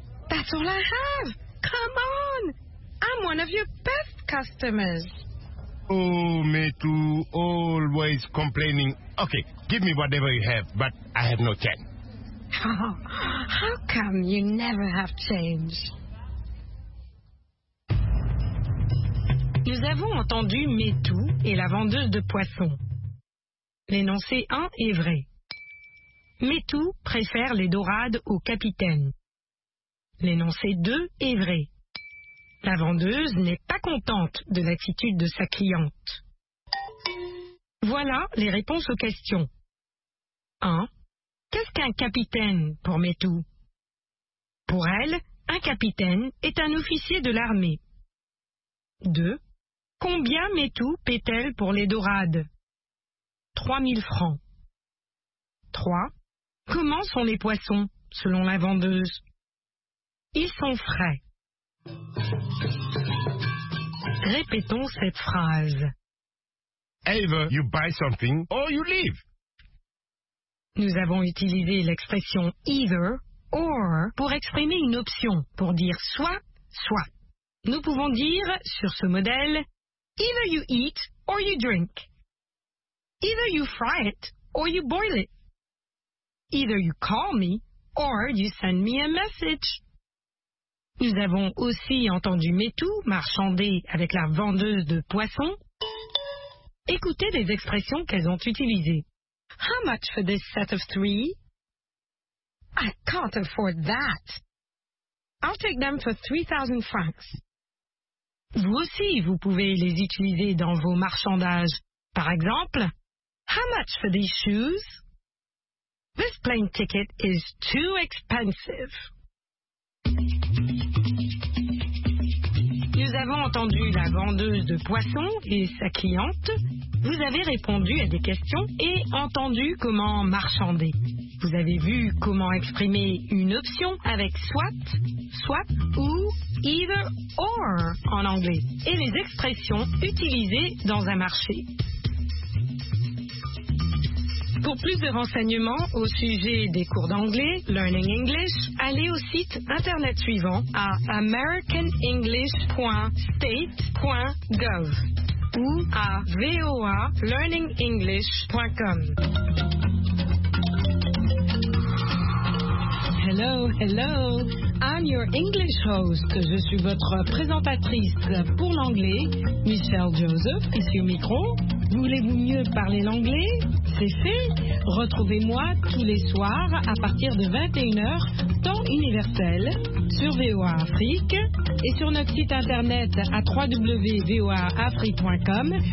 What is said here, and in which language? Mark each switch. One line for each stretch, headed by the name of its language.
English: That's all I have. Come on. I'm one of your best customers. Oh, Métou, always complaining. Okay, give me whatever you have, but I have no change. How come you never have change?
French: Nous avons entendu Métou et la vendeuse de poissons. L'énoncé 1 est vrai. Métou préfère les dorades au capitaine. L'énoncé 2 est vrai. La vendeuse n'est pas contente de l'attitude de sa cliente. Voilà les réponses aux questions. 1. Qu'est-ce qu'un capitaine pour Métou? Pour elle, un capitaine est un officier de l'armée. 2. Combien Métou paie-t-elle pour les dorades? 3000 francs. 3. Comment sont les poissons, selon la vendeuse? Ils sont frais. Répétons cette phrase.
English: Either you buy something or you leave.
French: Nous avons utilisé l'expression either or pour exprimer une option, pour dire soit, soit. Nous pouvons dire, sur ce modèle,
English: either you eat or you drink. Either you fry it or you boil it. Either you call me or you send me a message.
French: Nous avons aussi entendu Métou marchander avec la vendeuse de poissons. Écoutez les expressions qu'elles ont utilisées.
English: How much for this set of three? I can't afford that. I'll take them for 3,000 francs.
French: Vous aussi, vous pouvez les utiliser dans vos marchandages. Par exemple,
English: how much for these shoes? This plane ticket is too expensive.
French: Nous avons entendu la vendeuse de poissons et sa cliente. Vous avez répondu à des questions et entendu comment marchander. Vous avez vu comment exprimer une option avec soit, swap ou either or en anglais et les expressions utilisées dans un marché. Pour plus de renseignements au sujet des cours d'anglais, Learning English, allez au site internet suivant à americanenglish.state.gov ou à voalearningenglish.com.
English: Hello, hello, I'm your English host.
French: Je suis votre présentatrice pour l'anglais, Michelle Joseph, ici au micro. Voulez-vous mieux parler l'anglais? C'est fait. Retrouvez-moi tous les soirs à partir de 21h, temps universel, sur VOA Afrique et sur notre site internet à www.voaafrique.com.